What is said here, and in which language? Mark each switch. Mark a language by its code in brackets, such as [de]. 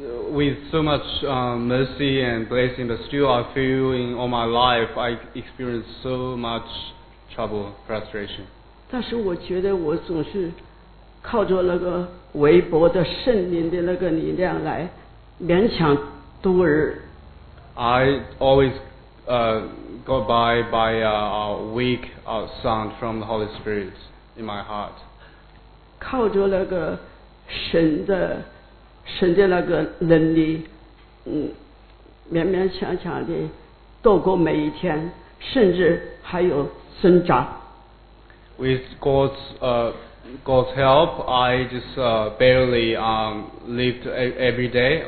[en] With so much mercy and blessing, but still I feel in all my life I experience so much trouble, frustration. [zh] 但是我觉得我总是靠着那个微薄的圣灵的那个力量来勉强度日。 [en] I always go by a weak sound from the Holy Spirit in my heart. [zh] 靠着那个神的能力，勉勉强强地度过每一天，甚至还有挣扎。 [en] With God's help, I just barely lived every day.